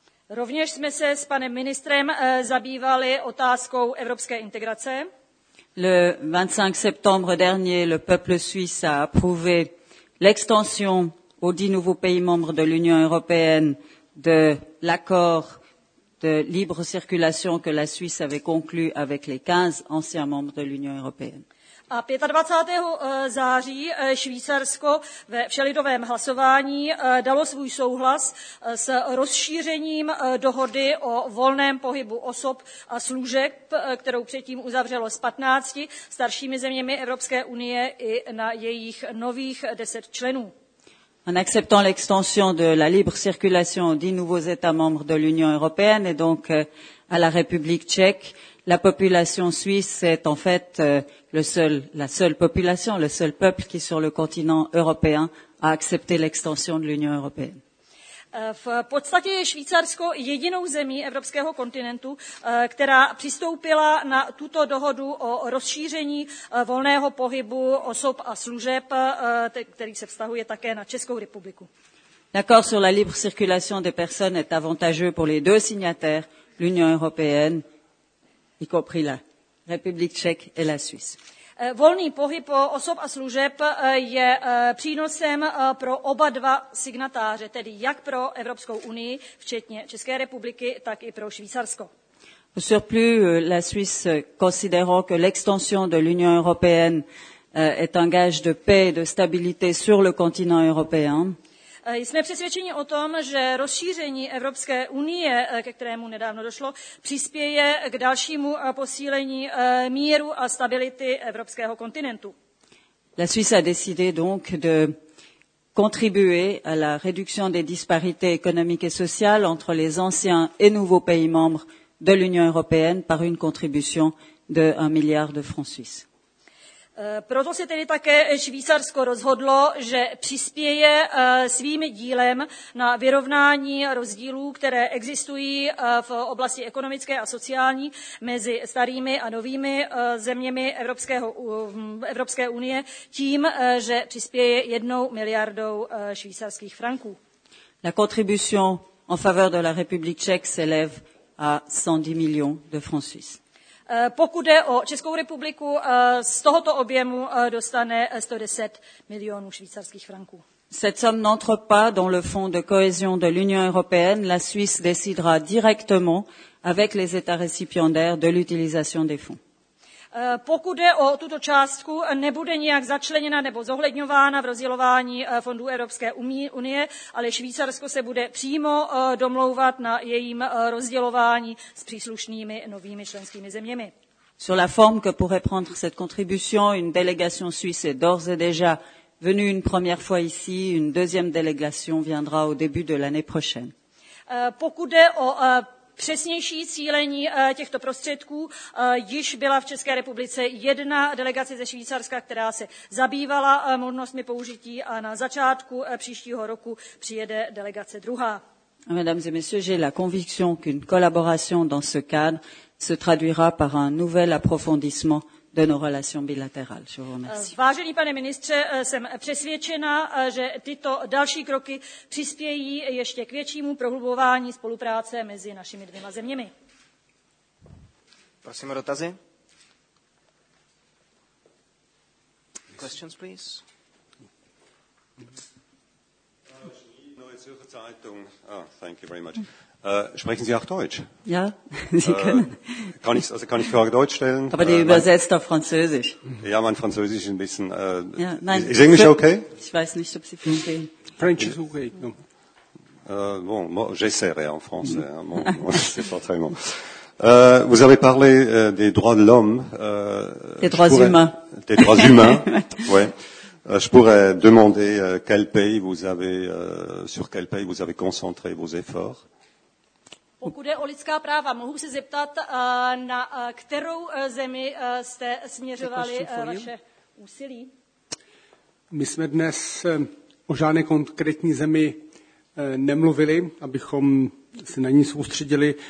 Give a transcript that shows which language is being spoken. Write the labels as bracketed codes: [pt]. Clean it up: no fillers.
[cs] Rovněž jsme se s panem ministrem zabývali otázkou evropské integrace. [fr] Le 25 septembre dernier, le peuple suisse a approuvé l'extension aux 10 nouveaux pays membres de l'Union européenne de l'accord de libre circulation que la Suisse avait conclu avec les 15 anciens membres de l'Union européenne. [cs] A 25. září Švýcarsko ve všelidovém hlasování dalo svůj souhlas s rozšířením dohody o volném pohybu osob a služeb, kterou předtím uzavřelo s 15 staršími zeměmi Evropské unie i na jejich nových 10 členů. [fr] En acceptant l'extension de la libre circulation aux 10 nouveaux États membres de l'Union européenne et donc à la République tchèque, la population suisse est en fait le seul peuple qui sur le continent européen a accepté l'extension de l'Union européenne. [cs] V podstatě je Švýcarsko jedinou zemí evropského kontinentu, která přistoupila na tuto dohodu o rozšíření volného pohybu osob a služeb, který se vztahuje také na Českou republiku. [fr] L'accord sur la libre circulation des personnes est avantageux pour les deux signataires, l'Union européenne, y compris la République tchèque et la Suisse. [cs] Volný pohyb osob a služeb je přínosem pro oba dva signatáře, tedy jak pro Evropskou unii, včetně České republiky, tak i pro Švýcarsko. [fr] Au surplus, la Suisse considérant que l'extension de l'Union européenne est un gage de paix et de stabilité sur le continent européen. [cs] Jsme přesvědčeni o tom, že rozšíření Evropské unie, ke kterému nedávno došlo, přispěje k dalšímu posílení míru a stability evropského kontinentu. [fr] La Suisse a décidé donc de contribuer à la réduction des disparités économiques et sociales entre les anciens et nouveaux pays membres de l'Union européenne par une contribution de 1 milliard de francs suisses. [cs] Proto se tedy také Švýcarsko rozhodlo, že přispěje svým dílem na vyrovnání rozdílů, které existují v oblasti ekonomické a sociální mezi starými a novými zeměmi Evropské unie tím, že přispěje 1 miliardou švýcarských franků. [fr] La contribution en faveur de la République tchèque s'élève à 110 millions de francs suisses. [cs] Pokud jde o Českou republiku, z tohoto objemu dostane 110 milionů švýcarských franků. [fr] Cette somme n'entre pas dans le fonds de cohésion de l'Union européenne. La Suisse décidera directement avec les États récipiendaires de l'utilisation des fonds. [cs] Pokud jde o tuto částku, nebude nijak začleněna nebo zohledňována v rozdělování fondů Evropské unie, ale Švýcarsko se bude přímo domlouvat na jejím rozdělování s příslušnými novými členskými zeměmi. [fr] Sur la forme que pourrait prendre cette contribution, une délégation suisse est d'ores et déjà venue une première fois ici, une deuxième délégation viendra au début de l'année prochaine. [cs] Pokud jde o přesnější cílení těchto prostředků, již byla v České republice jedna delegace ze Švýcarska, která se zabývala možnostmi použití a na začátku příštího roku přijede delegace druhá. [fr] Mesdames et messieurs, j'ai la conviction qu'une collaboration dans ce cadre se traduira par un nouvel approfondissement de nos relations bilatérales. Je vous remercie. [cs] Vážený pane ministře, jsem přesvědčena, že tyto další kroky přispějí ještě k většímu prohlubování spolupráce mezi našimi dvěma zeměmi. Prosím o dotazy. [en] Questions, please. Neue Zürcher Zeitung. Thank you very much. [de] Sprechen Sie auch Deutsch? Ja, Sie können. Kann ich Frage Deutsch stellen? Aber die übersetzt auf Französisch. Ja, mein Französisch ist ein bisschen... [en] ist Englisch okay? [de] Ich weiß nicht, ob Sie verstehen. [en] French is okay. No. [fr] Bon, moi, j'essaierai en français. C'est pas très bon. Vous avez parlé des droits de l'homme. Des droits humains, ouais. Je pourrais demander quel pays vous avez, sur quel pays vous avez concentré vos efforts. [cs] Pokud je o lidská práva, mohu se zeptat, na kterou zemi jste směřovali vaše úsilí? My jsme dnes o žádné konkrétní zemi nemluvili, abychom se na ní soustředili.